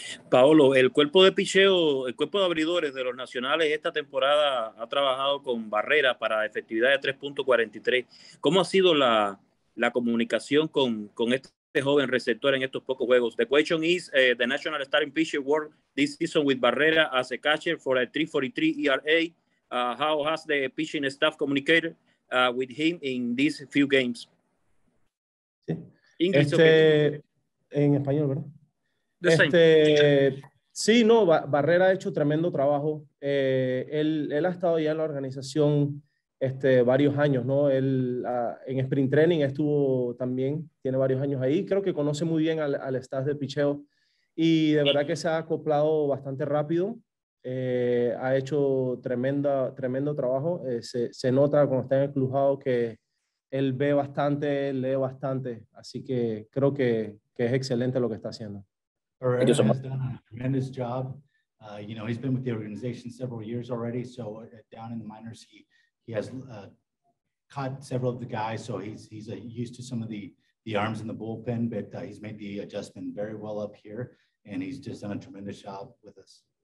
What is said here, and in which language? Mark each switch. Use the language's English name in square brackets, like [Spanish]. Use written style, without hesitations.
[Spanish] Paolo, el cuerpo de picheo, el cuerpo de abridores de los Nacionales esta temporada ha trabajado con Barrera para efectividad de 3.43. ¿Cómo ha sido la comunicación con este joven receptor en estos pocos juegos? [English] The question is, the National Starting Pitcher World this season with Barrera as a catcher for a 3.43 ERA. How has the pitching staff communicated with him in these few games? [Spanish] Sí. En español, ¿verdad? Sí, no, Barrera ha hecho tremendo trabajo. Él ha estado ya en la organización varios años, ¿no? Él en sprint training estuvo también, tiene varios años ahí. Creo que conoce muy bien al staff de pitcheo y de verdad que se ha acoplado bastante rápido. Ha hecho tremendo trabajo. Se nota cuando está en el clubhouse que él ve bastante, él lee bastante. Así que creo que es excelente lo que está haciendo. [English] Barrera has done a tremendous job. You know, he's been with the organization several years already. So down in the minors, he has caught several of the guys. So he's used to some of the arms in the bullpen, but he's made the adjustment very well up here. And he's just done a tremendous job with us.